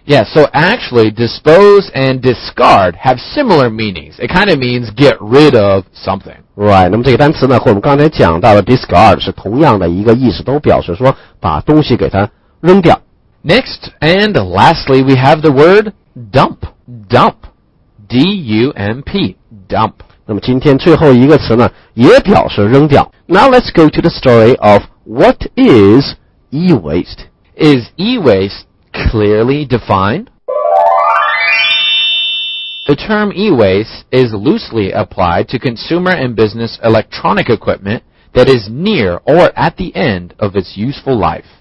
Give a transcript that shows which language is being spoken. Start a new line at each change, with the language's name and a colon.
English: Yeah, so actually dispose and discard have similar meanings. It kind of means get rid of something.
Chinese: Right, 那么这个单词呢和我们刚才讲到的 discard 是同样的一个意思，都表示说把东西给它扔掉。
English: Next and lastly, we have the word dump. Dump. D-U-M-P. Dump.
Chinese: 那么今天最后一个词呢也表示扔掉。
English: Now let's go to the story of what is e-waste. Is e-wasteclearly defined? The term e-waste is loosely applied to consumer and business electronic equipment that is near or at the end of its useful life.